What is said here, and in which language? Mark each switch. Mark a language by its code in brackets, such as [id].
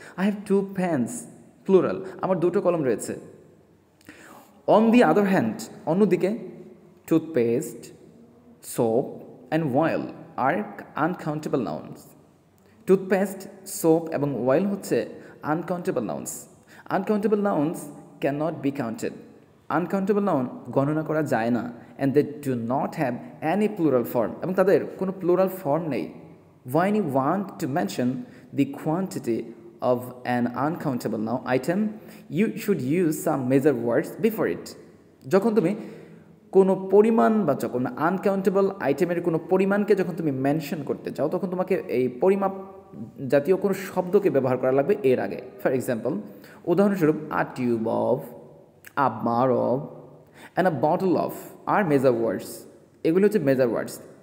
[en] I have two pens plural, [bn] আমার দুটো কলম রয়েছে. [en] On the other hand, অন্যদিকে toothpaste, soap and oil are uncountable nouns. [bn] Toothpaste, soap এবং ওয়েল হচ্ছে uncountable nouns. [en] uncountable nouns can not be counted, [bn] uncountable noun গণনা করা যায় না. [en] and they do not have any plural form, [bn] এবং তাদের কোনো প্লুরাল ফর্ম নেই. [en] When you want to mention the quantity of an uncountable noun item, you should use some major words before it. [bn] যখন তুমি কোনো পরিমাণ বা যখন আনকাউন্টেবল আইটেমের কোনো পরিমাণকে যখন তুমি মেনশন করতে চাও তখন তোমাকে এই পরিমাপ জাতীয় কোনো শব্দকে ব্যবহার করা লাগবে এর আগে. [en] For example, উদাহরণস্বরূপ, a tube of, a bar of, and a bottle of are measure words. [bn] এগুলো হচ্ছে মেজার ওয়ার্ডস.